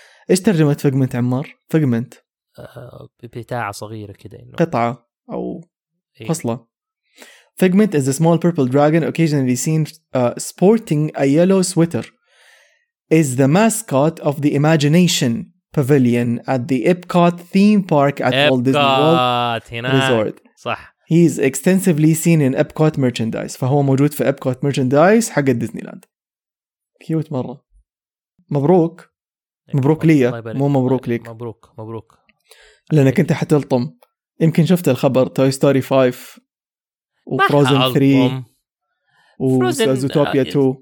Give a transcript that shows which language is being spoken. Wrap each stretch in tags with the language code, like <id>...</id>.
<ar>ايش ترجمة فيجمنت عمار؟ فيجمنت بتاعة صغيرة كده إنه. قطعة او إيه؟ فصلة.</ar> <en>Figment is a small purple dragon occasionally seen sporting a yellow sweater is the mascot of the imagination pavilion at the Epcot theme park at Walt Disney World Resort.</en> <ar>صح.</ar> <en>He's extensively seen in Epcot merchandise.</en> <ar>فهو موجود في Epcot merchandise حق ديزني لاند. كيوت مرة. مبروك. مبروك لي. مو مبروك ليك. مبروك. مبروك. لأنك أنت حتلطم. يمكن شفت الخبر Toy Story 5 وفروزن 3 وزوتوبيا 2.</ar>